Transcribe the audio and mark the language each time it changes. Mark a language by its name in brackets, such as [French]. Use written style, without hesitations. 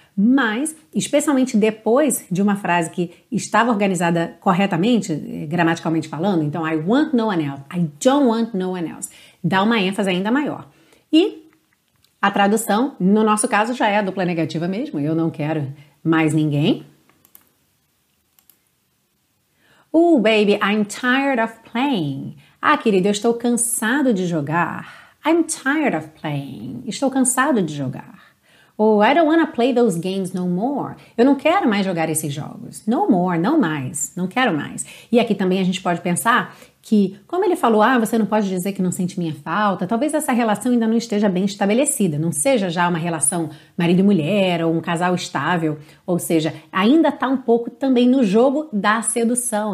[Portuguese] Mas, especialmente depois de uma frase que estava organizada corretamente, gramaticalmente falando, então, [English] I want no one else, [Portuguese] I don't want no one else, dá uma ênfase ainda maior. E a tradução, no nosso caso, já é a dupla negativa mesmo, eu não quero mais ninguém. [English] Oh, baby, I'm tired of playing. [Portuguese] Ah, querido, eu estou cansado de jogar. [English] I'm tired of playing. [Portuguese] Estou cansado de jogar. [English] Oh, I don't want to play those games no more. [Portuguese] Eu não quero mais jogar esses jogos. [English] No more, [Portuguese] não mais. Não quero mais. E aqui também a gente pode pensar que, como ele falou, ah, você não pode dizer que não sente minha falta, talvez essa relação ainda não esteja bem estabelecida. Não seja já uma relação marido e mulher ou um casal estável. Ou seja, ainda está um pouco também no jogo da sedução.